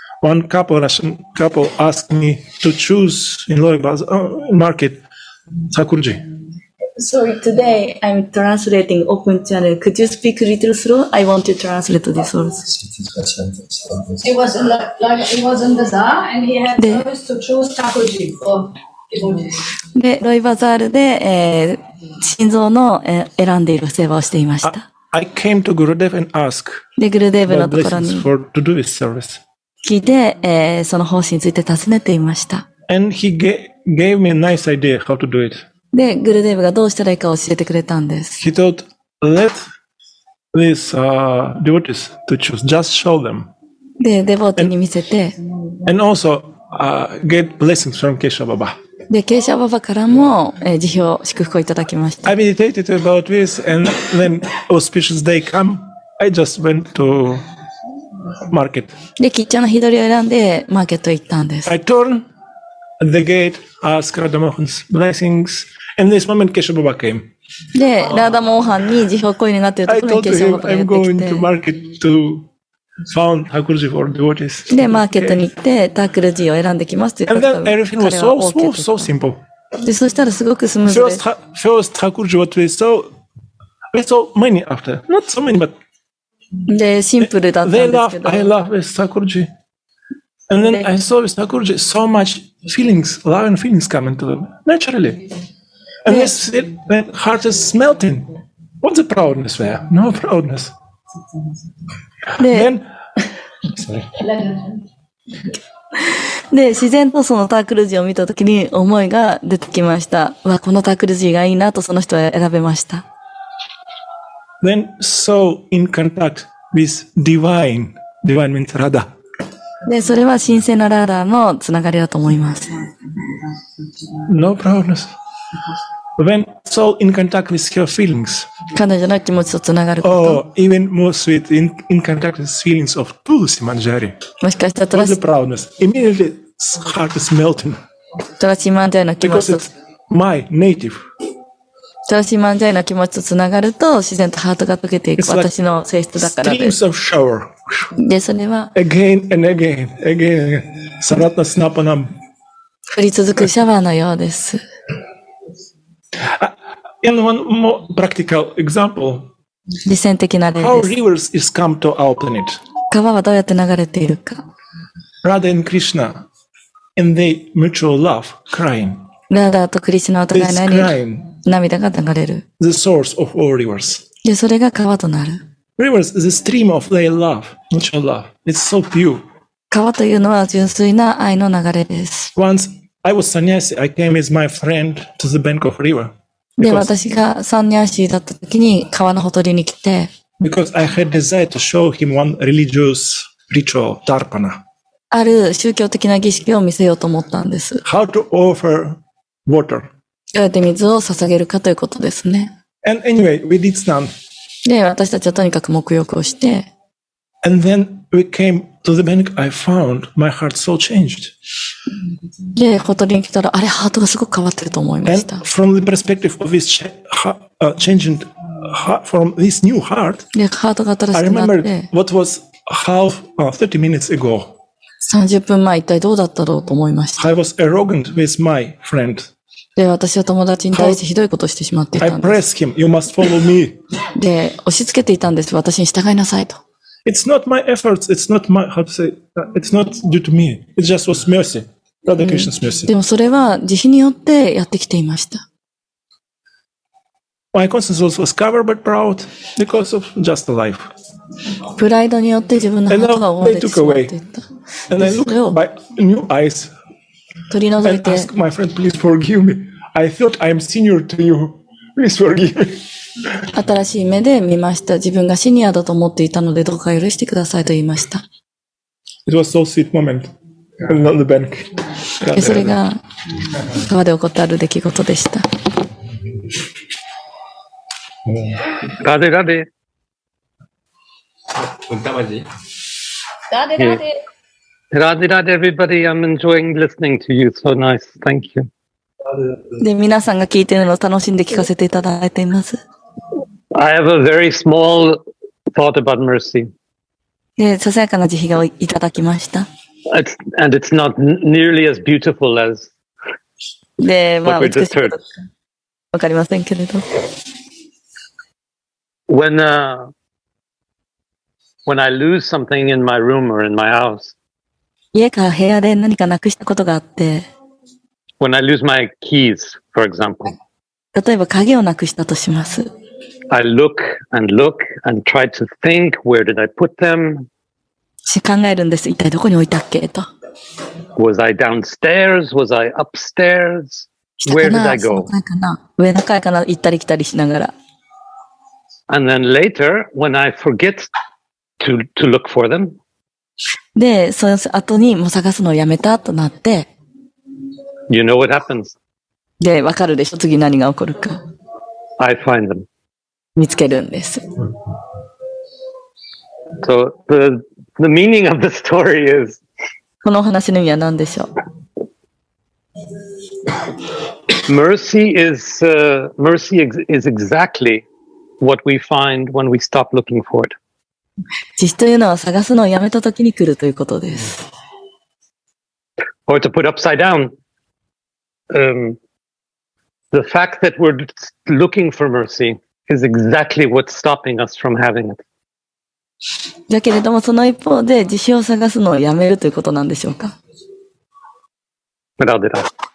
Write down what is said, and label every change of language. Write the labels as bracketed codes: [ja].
[en] One couple, Russian couple asked me to choose in Loibaz market, Sakurji. Sorry, today I'm translating open channel. Could you speak a little slow? I want to translate the service. It was in the bazaar and he had service to choose Sakurji for... [ja] でロイバザールで、心臓の、選んでいる世話をしていました。 [en] I came to Gurudev and asked. [ja] でグルデーブのところに聞いて、その方針について尋ねていました。 [en] And he gave me a nice idea how to do it. [ja] でグルデーブがどうしたらいいか教えてくれたんです。 [en] He thought, let these devotees to choose. Just show them. [ja] でデボティに見せて。 [en] And also,get blessings from Kesha Baba. [ja] で、ケイシャババからも、辞表、祝福をいただきました。 [en] I meditated about this and then auspicious day come, I just went to market. [ja] で、キッチャの日取りを選んで、マーケットへ行ったんです。 [en] I turn the gate, ask Radha Mohan's blessings, and this moment ケイシャババ came. [ja] で、ラダモーハンに辞表を声になっているところにケイシャババがやってきて。 [en] I told him I'm going to market to found Hakurji for devotees. [ja] で、マーケットに行って、タクルジーを選んできますと言ったら、彼は OK と言った。 [en] And then everything was so simple. [ja] で、そしたらすごくスムーズです。 [en] First Hakurji, what we saw many after. Not so many, but... [ja] で、シンプルだったんですけど。 [en] They laughed, I laughed with Hakurji. And then I saw with Thakurji so much feelings, love and feelings coming to them, naturally. And yes, the heart is melting. What's the proudness there? No proudness. Then, sorry. [ja] で自然とそのタクルジを見たときに思いが出てきました。わこのタクルジがいいなとその人は選べました。 [en] Then so in contact with divine, divine means radha. [ja] でそれは神聖なラーダーのつながりだと思います。 [en] No problems. When so in contact with your feelings. [ja] 彼女の気持ちとつながること。 [en] Oh, even more sweet in contact with feelings of Tulsi Manjari. [ja] もしかしたら。 [en] What's the proudness? Immediately. Heart is melting. [ja] トラシマンジャイの気持ちと、 [en] my native. [ja] トラシマンジャイの気持ちとつながると、自然とハートが溶けていく、 [en] like、 [ja] 私の性質だからです。 [en] Streams of shower. [ja] で、それは、 [en] again and again, again and again. サラッタスナパナム。 [ja] 降り続くシャワーのようです。 [en] And one more practical example. [ja] 実践的な例です。 [en] How rivers is come to our planet? [ja] 川はどうやって流れているか。 [en] Radha and Krishna. And they mutual love, crying. [ja] Radha とクリシュナお互いに涙が流れる。 [en] The source of all rivers. [ja] で、それが川となる。 [en] Rivers is a stream of their love, mutual love. It's so pure. [ja] 川というのは純粋な愛の流れです。 [en] Once I was sannyasi, I came with my friend to the bank of river. [ja] で、私がサンニャーシーだった時に川のほとりに来て。 [en] Because I had desire to show him one religious ritual, darpana. [ja] ある宗教的な儀式を見せようと思ったんです。 [en] How to offer water. [ja] どうやって水を捧げるかということですね。 [en] And anyway, we did stand. [ja] で、私たちはとにかく沐浴をして。 [en] And then we came to the bank. I found my heart so changed. [ja] で、ほとりに来たら、あれ、ハートがすごく変わってると思いました。 [en] And from the perspective of this changing heart, from this new heart, [ja] で、ハートが新しくなって、 [en] I remembered what was half, 30 minutes ago. [ja] 30分前一体どうだったろうと思いました。 [en] I was arrogant with my friend. [ja] で、私は友達に対してひどいことをしてしまっていたんです。 [en] I press him, you must follow me. [ja] で、押し付けていたんです。私に従いなさいと。 [en] It's not my efforts, it's not my, how to say, it's not due to me. It just was mercy. Radha Krishna's mercy. [ja] でもそれは慈悲によってやってきていました。 [en] My conscience was covered but proud because of just the life. [ja] プライドによって自分のハートが覆われてしまっていった。 [en] And I look by new eyes. [ja] 取り除いて。 [en] I ask my friend, please forgive me. I thought I'm senior to you. Please forgive me. [ja] 新しい目で見ました。自分がシニアだと思っていたのでどうか許してくださいと言いました。 [en] It was so sweet moment. And on the bank. [ja] それが川で起こったある出来事でした。ラデラデ。 [en] Radhe Radhe. Radhe Radhe, everybody. I'm enjoying listening to you. So nice. Thank you. [ja] で、皆さんが聞いているのを楽しんで聞かせていただいています。 [en] I have a very small thought about mercy. [ja] で、ささやかな慈悲をいただきました。 [en] And it's not nearly as beautiful as [ja] で、まあ、 [en] what we just heard. [ja] わかりませんけれど。 [en] When I lose something in my room or in my house, [ja] 家か部屋で何かなくしたことがあって、 [en] When I lose my keys, for example, [ja] 例えば鍵をなくしたとします。 [en] I look and look and try to think where did I put them. [ja] し考えるんです。一体どこに置いたっけと。 [en] Was I downstairs? Was I upstairs? Where did I go? [ja] 下かな、上の階かな、行ったり来たりしながら。 [en] And then later, when I forget. To look for them. [ja] で、その後にもう探すのをやめたとなって。 [en] You know what happens. [ja] で、わかるでしょ、次何が起こるか。 [en] I find them. [ja] 見つけるんです。 [en] So, the meaning of the story is. [ja] このお話の意味は何でしょう。 [en] Mercy is exactly what we find when we stop looking for it. [ja] 慈悲というのは探すのをやめたときに来るということです。 [en] Or to put upside down, the fact that we're looking for mercy is exactly what's stopping us from having it. [ja] だけれどもその一方で慈悲を探すのをやめるということなんでしょうか。ラデラ。